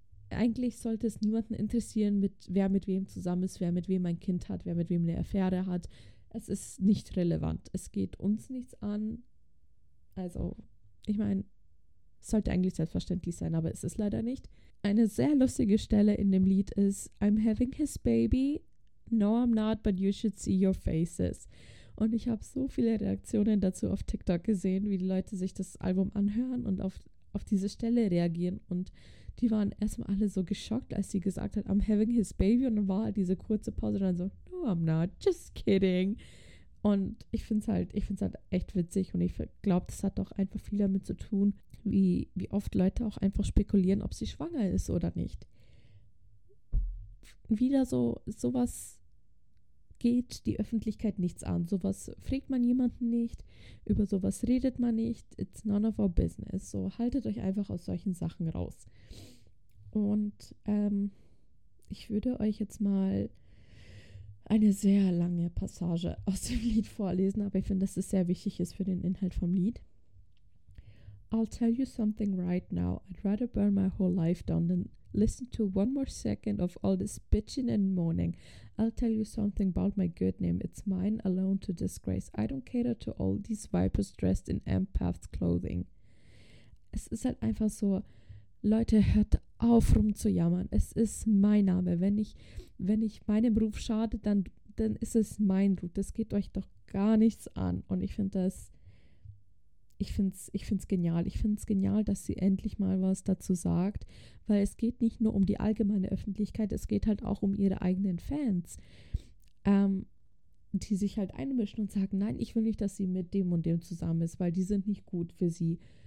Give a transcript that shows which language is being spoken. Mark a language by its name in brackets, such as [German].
[German] Eigentlich sollte es niemanden interessieren, wer mit wem zusammen ist, wer mit wem ein Kind hat, wer mit wem eine Affäre hat. Es ist nicht relevant. Es geht uns nichts an. Also, ich meine, es sollte eigentlich selbstverständlich sein, aber es ist leider nicht. Eine sehr lustige Stelle in dem Lied ist: [English] I'm having his baby. No, I'm not, but you should see your faces. [German] Und ich habe so viele Reaktionen dazu auf TikTok gesehen, wie die Leute sich das Album anhören und auf diese Stelle reagieren. Und die waren erstmal alle so geschockt, als sie gesagt hat, [English] I'm having his baby. [German] Und dann war halt diese kurze Pause und dann so, [English] no, I'm not, just kidding. [German] Und ich finde es halt echt witzig. Und ich glaube, das hat doch einfach viel damit zu tun, wie oft Leute auch einfach spekulieren, ob sie schwanger ist oder nicht. Wieder so, sowas geht die Öffentlichkeit nichts an. Sowas fragt man jemanden nicht, über sowas redet man nicht. [English] It's none of our business. [German] So, haltet euch einfach aus solchen Sachen raus. Und ich würde euch jetzt mal eine sehr lange Passage aus dem Lied vorlesen, aber ich finde, dass es sehr wichtig ist für den Inhalt vom Lied. [English] I'll tell you something right now. I'd rather burn my whole life down than listen to one more second of all this bitching and moaning. I'll tell you something about my good name. It's mine alone to disgrace. I don't cater to all these vipers dressed in empath's clothing. [German] Es ist halt einfach so, Leute, hört auf rumzujammern. Es ist mein Name. Wenn ich meinem Ruf schade, dann ist es mein Ruf. Das geht euch doch gar nichts an. Und ich finde es genial, dass sie endlich mal was dazu sagt, weil es geht nicht nur um die allgemeine Öffentlichkeit, es geht halt auch um ihre eigenen Fans, die sich halt einmischen und sagen, nein, ich will nicht, dass sie mit dem und dem zusammen ist, weil die sind nicht gut für sie.